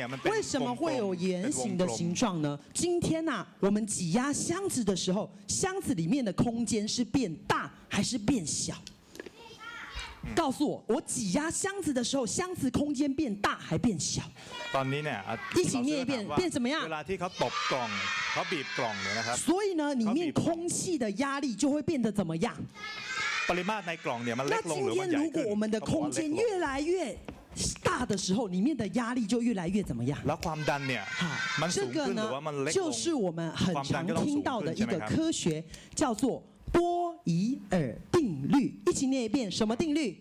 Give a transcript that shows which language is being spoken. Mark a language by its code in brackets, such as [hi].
[zh] 为什么会有圆形的形状呢？今天呢，我们挤压箱子的时候，箱子里面的空间是变大还是变小？告诉我，我挤压箱子的时候，箱子空间变大还变小？ [th] ตอนนี้เนี่ย [zh] 一起念一遍，变怎么样？ [th] เวลาที่เขาตบกล่องเขาบีบกล่องเนี่ยนะครับ [zh] 所以呢，里面空气的压力就会变得怎么样？ [th] ปริมาตรในกล่องเนี่ยมันเล็กลงหรือมันใหญ่ขึ้น [zh] 那今天如果我们的空间越来越大的时候，里面的压力就越来越怎么样？ [th] แล้วความดันเนี่ย [zh] 好，这个呢就是我们很常听到的一个科学，叫做波伊尔定律。一起念一遍，什么定律？